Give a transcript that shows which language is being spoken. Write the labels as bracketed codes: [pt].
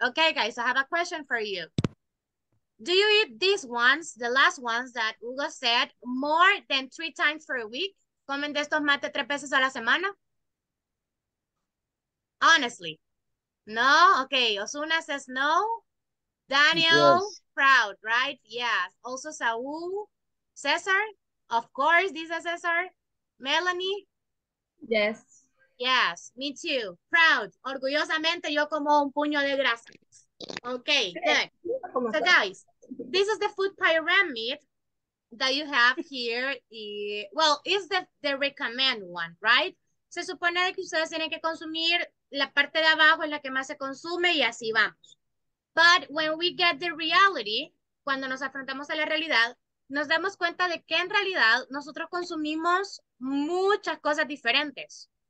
[en] Okay, guys, I have a question for you. Do you eat these ones, the last ones that Hugo said, more than 3 times per week? [es] ¿Comen de estos más de 3 veces a la semana? [en] Honestly. No? Okay, Osuna says no. Daniel? Yes. Proud, right? Yes. Also, Saul, Cesar, of course, this is Cesar. Melanie? Yes. Yes, me too. Proud. [es] Orgullosamente, yo como un puño de grasa. [en] Okay, good. So, guys, this is the food pyramid that you have here. Well, it's the recommend one, right? [es] Se supone que ustedes tienen que consumir la parte de abajo es la que más se consume y así vamos. [en] But when we get the reality, [es] cuando nos afrontamos a la realidad, nos damos cuenta de que en realidad nosotros consumimos muchas cosas diferentes.